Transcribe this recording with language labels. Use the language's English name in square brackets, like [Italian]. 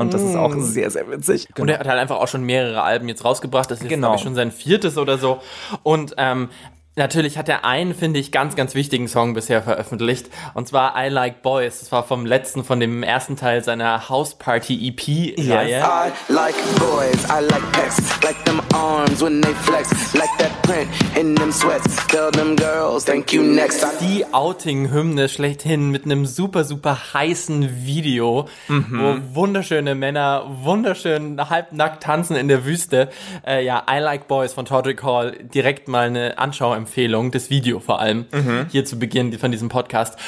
[German] Und das ist auch sehr, sehr witzig. Genau. Und er hat halt einfach auch schon mehrere Alben jetzt rausgebracht. Das ist jetzt, glaube ich, schon sein viertes oder so. Und natürlich hat er einen, finde ich, ganz, ganz wichtigen Song bisher veröffentlicht. Und zwar I Like Boys. Das war vom letzten, von dem ersten Teil seiner House Party EP-Reihe. [English] Yes. I like boys, I like pecs, like them arms when they flex, like that print in them sweats, tell them girls, thank you next. [German] Die Outing-Hymne schlechthin mit einem super, super heißen Video, wo wunderschöne Männer wunderschön halbnackt tanzen in der Wüste. Ja, I Like Boys von Todrick Hall, direkt mal eine Anschauung. Empfehlung, das Video vor allem, hier zu Beginn von diesem Podcast.